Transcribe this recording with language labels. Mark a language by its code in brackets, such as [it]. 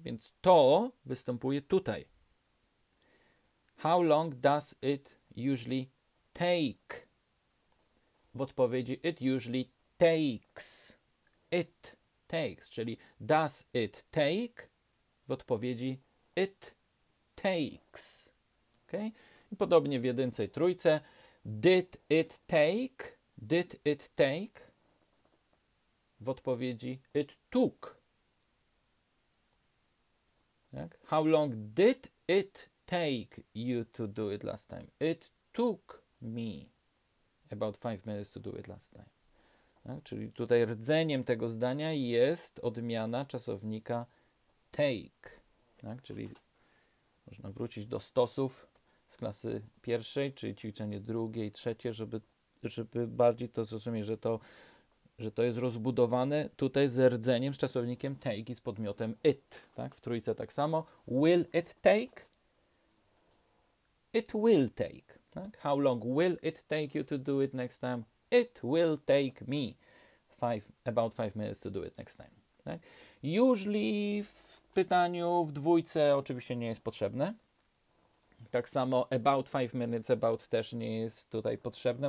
[pl] Więc to występuje tutaj. [en] How long does it usually take? [pl] W odpowiedzi [en] it usually takes. It takes, czyli does it take? [pl] W odpowiedzi [en] it takes. Okay? [pl] I podobnie w jedynce i trójce. [en] Did it take? Did it take? [pl] W odpowiedzi [en] it took. [pl] Tak? [en] How long did it take you to do it last time? It took me about 5 minutes to do it last time. [pl] Tak? Czyli tutaj rdzeniem tego zdania jest odmiana czasownika take. Tak? Czyli można wrócić do stosów z klasy pierwszej, czyli ćwiczenie drugie i trzecie, żeby bardziej to zrozumieć, że to jest rozbudowane tutaj z rdzeniem, z czasownikiem take i z podmiotem it, tak? W trójce tak samo. [en] Will it take? It will take. Tak? How long will it take you to do it next time? It will take me about 5 minutes to do it next time. [pl] Tak? Usually w pytaniu w dwójce oczywiście nie jest potrzebne. Tak samo [en] about 5 minutes, [pl] about też nie jest tutaj potrzebne.